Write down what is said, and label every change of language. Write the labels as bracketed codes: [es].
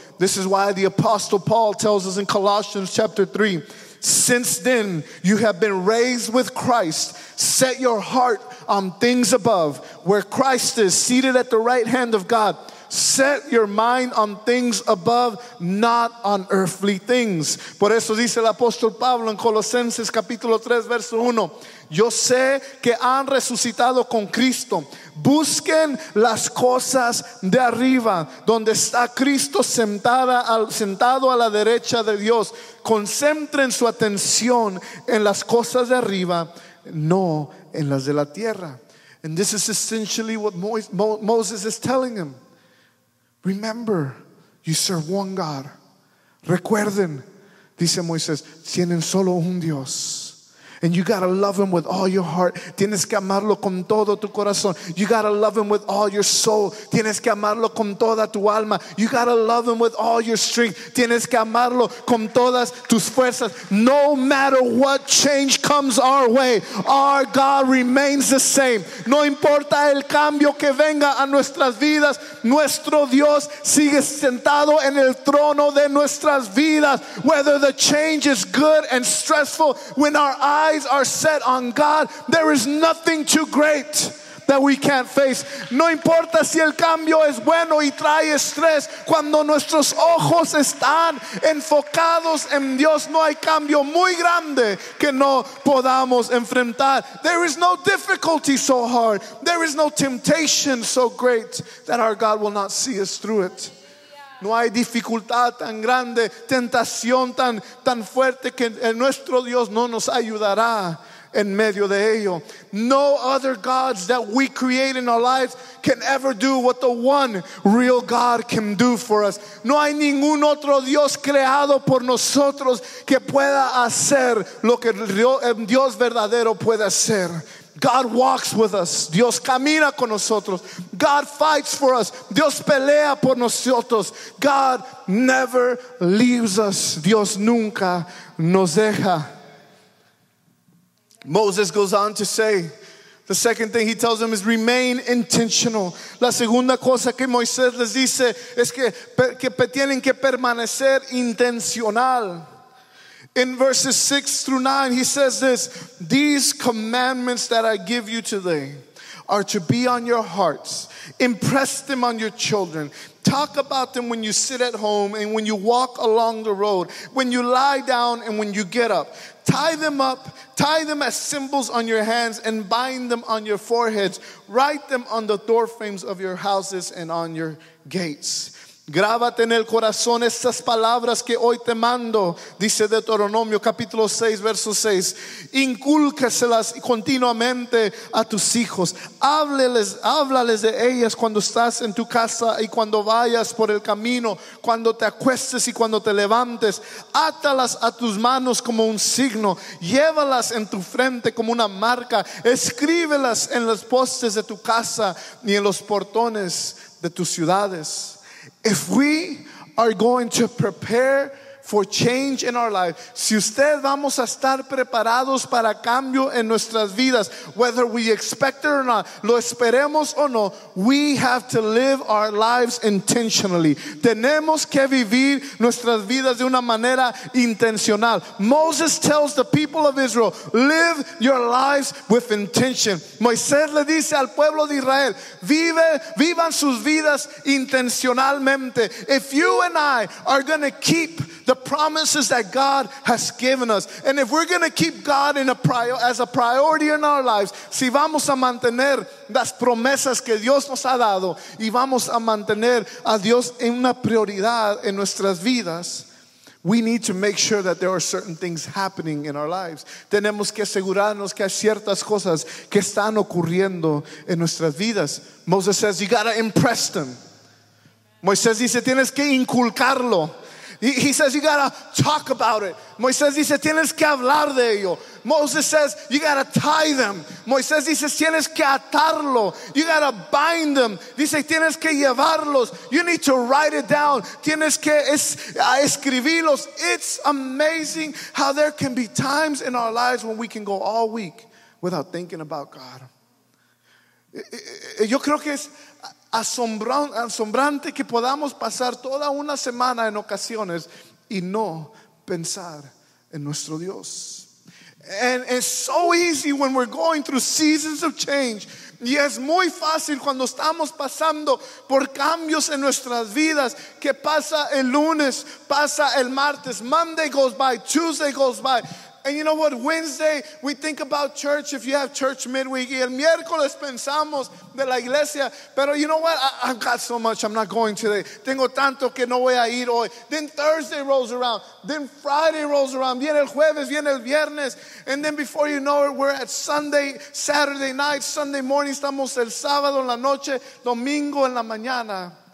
[en] This is why the Apostle Paul tells us in Colossians chapter 3, since then you have been raised with Christ, set your heart on things above, where Christ is seated at the right hand of God. Set your mind on things above, not on earthly things. [es] Por eso dice el apóstol Pablo en Colosenses capítulo 3, verso 1. Yo sé que han resucitado con Cristo. Busquen las cosas de arriba, donde está Cristo sentado a la derecha de Dios. Concentren su atención en las cosas de arriba, no en las de la tierra. [en] And this is essentially what Moses is telling him. Remember, you serve one God. [es] Recuerden, dice Moisés, tienen solo un Dios. [en] And you gotta love him with all your heart. [es] Tienes que amarlo con todo tu corazón. [en] You gotta love him with all your soul. [es] Tienes que amarlo con toda tu alma. [en] You gotta love him with all your strength. [es] Tienes que amarlo con todas tus fuerzas. [en] No matter what change comes our way, our God remains the same. [es] No importa el cambio que venga a nuestras vidas, nuestro Dios sigue sentado en el trono de nuestras vidas. [en] Whether the change is good and stressful, when our eyes are set on God, there is nothing too great that we can't face. [es] No importa si el cambio es bueno y trae estrés, cuando nuestros ojos están enfocados en Dios, no hay cambio muy grande que no podamos enfrentar. [en] There is no difficulty so hard. There is no temptation so great that our God will not see us through it. [es] No hay dificultad tan grande, tentación tan fuerte que nuestro Dios no nos ayudará en medio de ello. [en] No other gods that we create in our lives can ever do what the one real God can do for us. [es] No hay ningún otro Dios creado por nosotros que pueda hacer lo que el Dios verdadero puede hacer. [en] God walks with us. [es] Dios camina con nosotros. [en] God fights for us. [es] Dios pelea por nosotros. [en] God never leaves us. [es] Dios nunca nos deja. [en] Moses goes on to say, the second thing he tells them is remain intentional. [es] La segunda cosa que Moisés les dice es que tienen que permanecer intencional. [en] In verses 6 through 9, he says this: these commandments that I give you today are to be on your hearts. Impress them on your children. Talk about them when you sit at home and when you walk along the road, when you lie down and when you get up. Tie them up, tie them as symbols on your hands and bind them on your foreheads. Write them on the door frames of your houses and on your gates. [es] Grábate en el corazón estas palabras que hoy te mando, dice Deuteronomio capítulo 6, verso 6. Incúlcaselas continuamente a tus hijos. Háblales de ellas cuando estás en tu casa y cuando vayas por el camino, cuando te acuestes y cuando te levantes. Átalas a tus manos como un signo. Llévalas en tu frente como una marca. Escríbelas en los postes de tu casa y en los portones de tus ciudades. [en] If we are going to prepare for change in our life, [es] si usted vamos a estar preparados para cambio en nuestras vidas, [en] whether we expect it or not, [es] lo esperemos o no, [en] we have to live our lives intentionally. [es] Tenemos que vivir nuestras vidas de una manera intencional. [en] Moses tells the people of Israel, live your lives with intention. [es] Moisés le dice al pueblo de Israel, vivan sus vidas intencionalmente. [en] If you and I are going to keep the promises that God has given us, and if we're going to keep God as a priority in our lives, [es] si vamos a mantener las promesas que Dios nos ha dado y vamos a mantener a Dios en una prioridad en nuestras vidas, [en] we need to make sure that there are certain things happening in our lives. [es] Tenemos que asegurarnos que hay ciertas cosas que están ocurriendo en nuestras vidas. [en] Moses says, you got to impress them. [es] Moisés dice, tienes que inculcarlo. [en] He says, you gotta talk about it. [es] Moisés dice, tienes que hablar de ello. [en] Moses says, you gotta tie them. [es] Moisés dice, tienes que atarlo. [en] You gotta bind them. [es] Dice, tienes que llevarlos. [en] You need to write it down. [es] Tienes que escribirlos. [en] It's amazing how there can be times in our lives when we can go all week without thinking about God. [es] Yo creo que es asombrante que podamos pasar toda una semana en ocasiones y no pensar en nuestro Dios. [en] And it's so easy when we're going through seasons of change. [es] Y es muy fácil cuando estamos pasando por cambios en nuestras vidas. Que pasa el lunes, pasa el martes. [en] Monday goes by, Tuesday goes by. And you know what? Wednesday, we think about church if you have church midweek. [es] Y el miércoles pensamos de la iglesia. Pero [en] you know what? I've got so much. I'm not going today. [es] Tengo tanto que no voy a ir hoy. [en] Then Thursday rolls around. Then Friday rolls around. [es] Viene el jueves, viene el viernes. [en] And then before you know it, we're at Sunday, Saturday night, Sunday morning. [es] Estamos el sábado en la noche, domingo en la mañana.